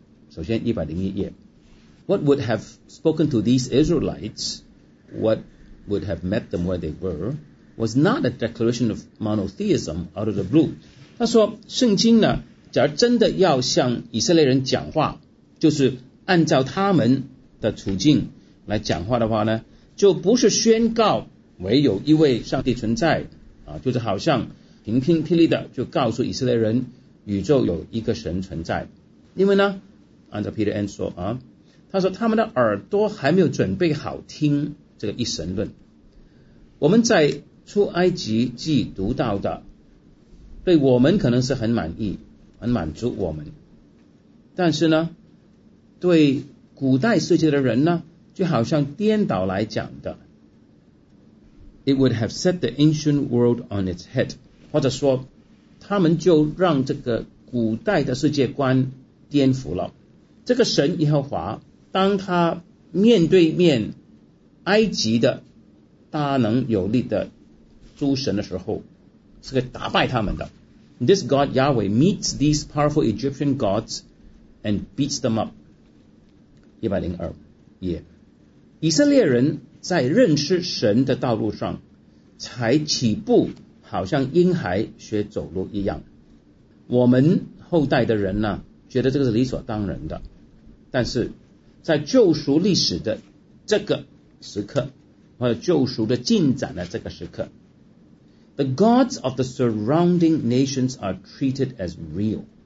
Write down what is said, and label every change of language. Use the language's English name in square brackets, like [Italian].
[Chinese] 首先101页， [English] What would have spoken to these Israelites whatwould have met them where they were, was not a declaration of monotheism out of the blue. [Chinese] 他说圣经呢，假如真的要向以色列人讲话，就是按照他们的处境来讲话的话呢，就不是宣告唯有一位上帝存在啊，就是好像平平霹雳的就告诉以色列人宇宙有一个神存在。因为呢，按照 Peter Enns 说啊，他说他们的耳朵还没有准备好听这个一神论。我们在出埃及记读到的对我们可能是很满意很满足我们，但是呢对古代世界的人呢就好像颠倒来讲的， [English] It would have set the ancient world on its head， [Chinese] 或者说他们就让这个古代的世界观颠覆了。这个神耶和华当他面对面埃及的大能有力的诸神的时候，是个打败他们的。 [English] This God Yahweh meets these powerful Egyptian gods and beats them up. [Chinese] 102页，以色列人在认识神的道路上才起步，好像婴孩学走路一样。我们后代的人呢，觉得这个是理所当然的，但是在救赎历史的这个时刻，或者救赎的进展的这个时刻， [English] The gods of the surrounding nations are treated as real.